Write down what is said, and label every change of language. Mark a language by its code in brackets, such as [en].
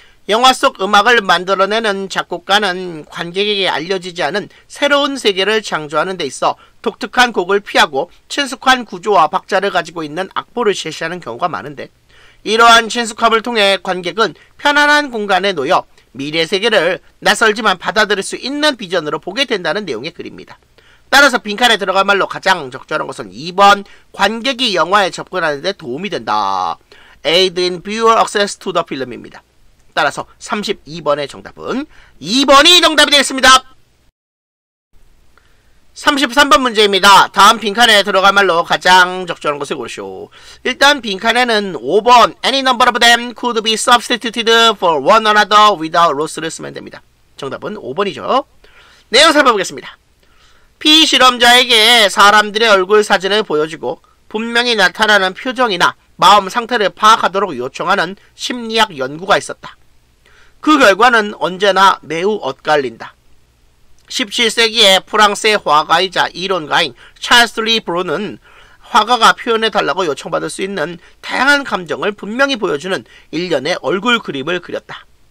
[ko] 영화 속 음악을 만들어내는 작곡가는 관객에게 알려지지 않은 새로운 세계를 창조하는 데 있어 독특한 곡을 피하고 친숙한 구조와 박자를 가지고 있는 악보를 제시하는 경우가 많은데 이러한 친숙함을 통해 관객은 편안한 공간에 놓여 미래 세계를 낯설지만 받아들일 수 있는 비전으로 보게 된다는 내용의 글입니다. 따라서 빈칸에 들어갈 말로 가장 적절한 것은 2번 관객이 영화에 접근하는 데 도움이 된다. [en] Aid in viewer access to the film입니다. [ko] 따라서 32번의 정답은 2번이 정답이 되겠습니다. 33번 문제입니다. 다음 빈칸에 들어갈 말로 가장 적절한 것을 고르시오. 일단 빈칸에는 5번 [en] Any number of them could be substituted for one another without loss를 [ko] 쓰면 됩니다. 정답은 5번이죠. 내용 살펴보겠습니다. P 실험자에게 사람들의 얼굴 사진을 보여주고 분명히 나타나는 표정이나 마음 상태를 파악하도록 요청하는 심리학 연구가 있었다. 그 결과는 언제나 매우 엇갈린다. 17세기에 프랑스의 화가이자 이론가인 찰스 리 브루는 화가가 표현해달라고 요청받을 수 있는 다양한 감정을 분명히 보여주는 일련의 얼굴 그림을 그렸다.